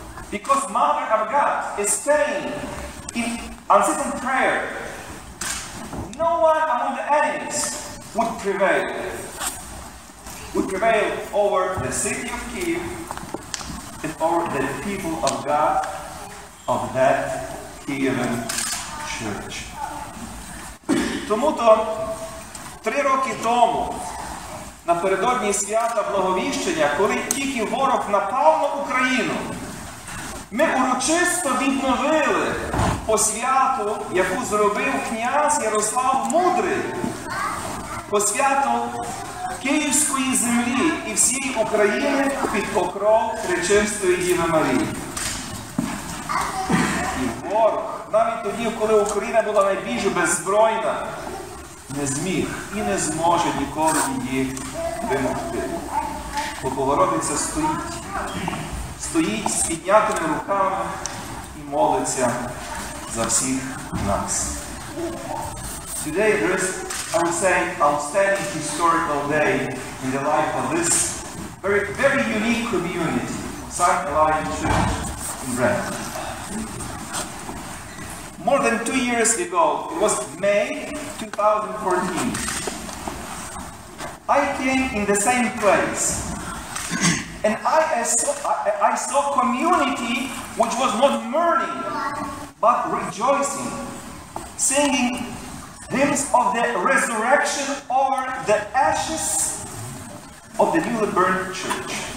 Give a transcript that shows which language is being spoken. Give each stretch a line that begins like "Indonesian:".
English: Because Mother of God is saying in unceasing prayer, no one among the enemies would prevail over the city of Kyiv and over the people of God of that Kievan church.
Ukrainian: Тому-то три роки тому, напередодні свята Благовіщення, коли тільки ворог напав на Україну, ми урочисто відновили посвяту, яку зробив князь Ярослав Мудрий, посвяту Київської землі і всієї України під покров Пречистої Діви Марії. Навіть тоді, коли Україна була найбільш беззбройна, не зміг і не зможе ніколи її вимогти. Бо Богородиця стоїть з піднятими руками і молиться за всіх нас.
English: Today there is, I would say, outstanding historical day in the life of this very, very unique community, St. Elijah Church in Brand. More than 2 years ago, it was May 2014, I came in the same place and I saw community which was not mourning, but rejoicing, singing hymns of the resurrection or the ashes of the newly burned church.